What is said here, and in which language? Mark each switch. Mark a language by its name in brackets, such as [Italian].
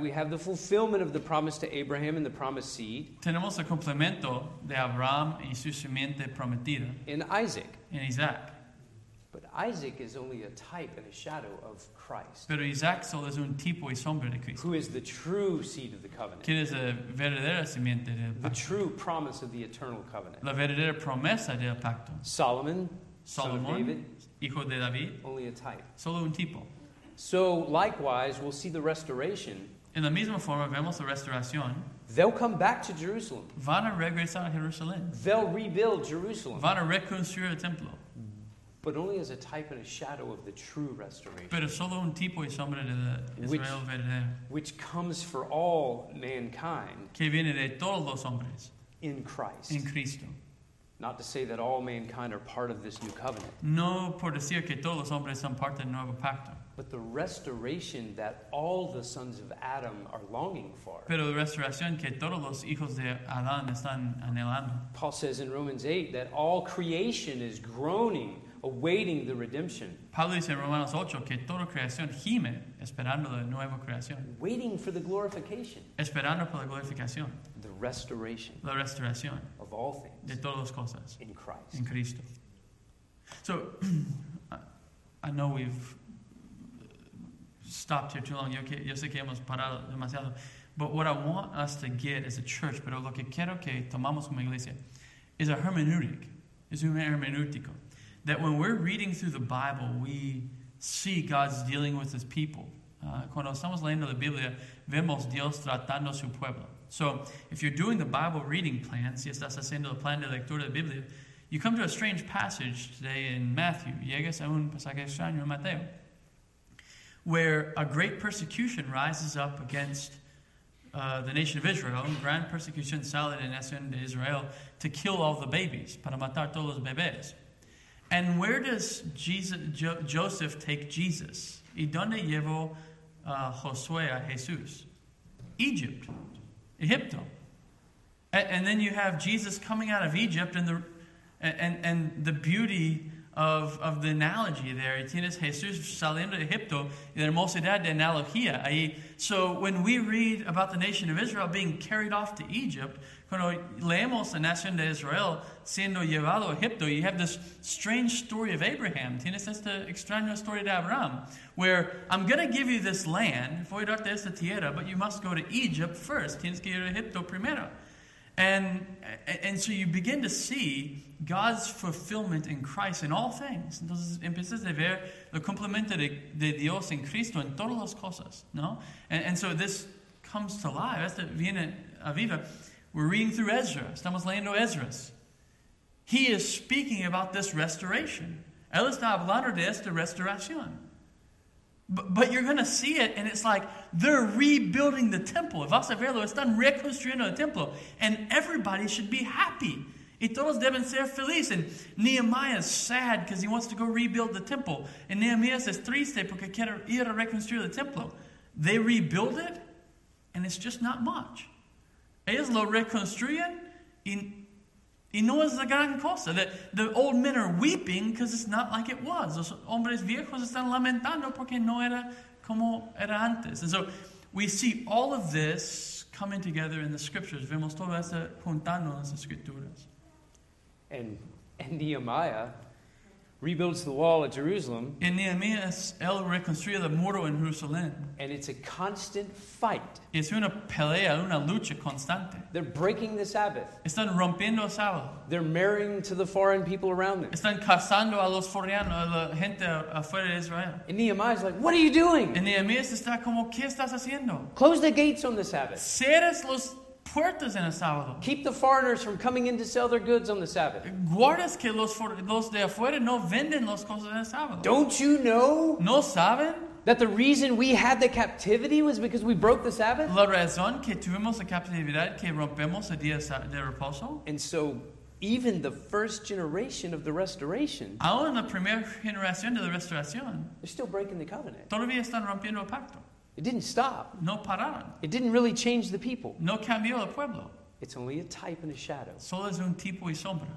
[English] We have the fulfillment of the promise to Abraham and the promised seed. [Spanish] Tenemos el complemento de Abraham y su simiente prometida. [English] In Isaac. [Spanish] En Isaac. [English] But Isaac is only a type and a shadow of Christ. [Spanish] Pero Isaac solo es un tipo y sombra de Cristo. [English] Who is the true seed of the covenant. [Spanish] Quien es la verdadera simiente del pacto. [English] The true promise of the eternal covenant. [Spanish] La verdadera promesa del pacto. [English] Solomon, son of David, [Spanish] hijo de David. [English] Only a type. [Spanish] Solo un tipo. [English] So likewise, we'll see the restoration. [Spanish] En la misma forma vemos la restauración. [English] They'll come back to Jerusalem. [Spanish] Van a regresar a Jerusalén. [English] They'll rebuild Jerusalem. [Spanish] Van a reconstruir el templo. [English] But only as a type and a shadow of the true restoration. [Spanish] Pero solo un tipo y sombra de Israel verdadero. [English] Which comes for all mankind. [Spanish] Que viene de todos los hombres. [English] In Christ. [Spanish] En Cristo. [English] Not to say that all mankind are part of this new covenant. [Spanish] No por decir que todos los hombres son parte del nuevo pacto. [English] But the restoration that all the sons of Adam are longing for. [Spanish] Pero la restauración que todos los hijos de Adán están anhelando. [English] Paul says in Romans 8 that all creation is groaning, awaiting the redemption. [Spanish] Pablo dice en Romanos 8 que toda creación gime esperando la nueva creación. [English] Waiting for the glorification. [Spanish] Esperando por la glorificación. [English] The restoration. [Spanish] La restauración. [English] Of all things. [Spanish] De todas las cosas. [English] In Christ. [Spanish] En Cristo. [English] So, I know we've stopped here too long. [Spanish] Yo sé que hemos parado demasiado. [English] But what I want us to get as a church, [Spanish] pero lo que quiero que tomamos como iglesia, [English] is a hermeneutic. [Spanish] Es un hermenéutico. [English] That when we're reading through the Bible, we see God's dealing with his people. [Spanish] Cuando estamos leyendo la Biblia, vemos Dios tratando su pueblo. [English] So, if you're doing the Bible reading plan, [Spanish] si estás haciendo el plan de lectura de la Biblia, [English] you come to a strange passage today in Matthew. [Spanish] Llegas a un pasaje extraño en Mateo. [English] Where a great persecution rises up against the nation of Israel. [Spanish] Grand persecution sale de nación de Israel [English] to kill all the babies, [Spanish] para matar todos los bebés. [English] And where does Joseph take Jesus? [Spanish] ¿Y dónde llevó Josué a Jesús? Egypt. Egipto. [English] And then you have Jesus coming out of Egypt and the beauty of the analogy there. [Spanish] Tienes Jesús saliendo de Egipto y la hermosidad de analogía ahí. [English] So when we read about the nation of Israel being carried off to Egypt, [Spanish] cuando leemos la nación de Israel siendo llevado a Egipto, [English] you have this strange story of Abraham. [Spanish] Tienes esta extraña historia de Abraham, [English] where I'm going to give you this land, [Spanish] voy a darte esta tierra, [English] but you must go to Egypt first. [Spanish] Tienes que ir a Egipto primero. [English] And so you begin to see God's fulfillment in Christ in all things. [Spanish] Entonces empiezas a ver el cumplimiento de Dios en Cristo en todas las cosas, ¿no? [English] And so this comes to life. [Spanish] Esto viene a viva. [English] We're reading through Ezra. [Spanish] Estamos leyendo Esdras. [English] He is speaking about this restoration. [Spanish] Él está hablando de esta restauración. [English] But you're going to see it, and it's like they're rebuilding the temple. [Spanish] Vas a verlo, están reconstruyendo el templo. [English] And everybody should be happy. [Spanish] Y todos deben ser felices. [English] And Nehemiah is sad because he wants to go rebuild the temple. And Nehemiah is [Spanish] triste porque quiere ir a reconstruir el templo. [English] They rebuild it, and it's just not much. [Spanish] Ellos lo reconstruyen, y no es la gran cosa. [English] The old men are weeping because it's not like it was. [Spanish] Los hombres viejos están lamentando porque no era como era antes. [English] And so we see all of this coming together in the scriptures. [Spanish] Vemos todo eso juntando en las escrituras. [English] And Nehemiah rebuilds the wall at Jerusalem. [Spanish] En Nehemías, él reconstruye el muro en Jerusalén. [English] And it's a constant fight. [Spanish] Es una pelea, una lucha constante. [English] They're breaking the Sabbath. [Spanish] Están rompiendo el sábado. [English] They're marrying to the foreign people around them. [Spanish] Están casando a los foreanos, a la gente afuera de Israel. [English] And Nehemiah's like, what are you doing? [Spanish] En Nehemías está como, ¿qué estás haciendo? [English] Close the gates on the Sabbath. [Spanish] Cierres los puertas en el sábado. [English] Keep the foreigners from coming in to sell their goods on the Sabbath. [Spanish] Guardas que los de afuera no venden las cosas en el sábado. [English] Don't you know? [Spanish] ¿No saben? [English] That the reason we had the captivity was because we broke the Sabbath? [Spanish] La razón que tuvimos la captividad que rompemos el día de reposo. [English] And so even the first generation of the restoration. [Spanish] Aún la primera generación de la restauración. [English] They're still breaking the covenant. [Spanish] Todavía están rompiendo el pacto. [English] It didn't stop. [Spanish] No pararon. [English] It didn't really change the people. [Spanish] No cambió el pueblo. [English] It's only a type and a shadow. [Spanish] Solo es un tipo y sombra.